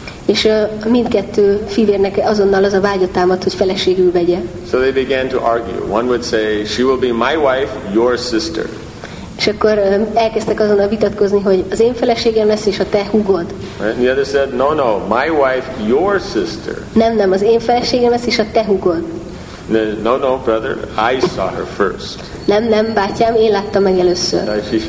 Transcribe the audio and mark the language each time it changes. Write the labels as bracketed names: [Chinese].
[Hungarian] És mindkettő fivérnek azonnal az a vágya támadt, hogy feleségül vegye. [English] So they began to argue. One would say, she will be my wife, your sister. [Hungarian] És akkor elkezdtek azonnal vitatkozni, hogy az én feleségem lesz, és a te húgod. [English] And the other said, no, my wife, your sister. [Hungarian] Nem, az én feleségem lesz, és a te húgod. [English] No, brother, I saw her first. [Hungarian] Nem, bátyám, én láttam meg először.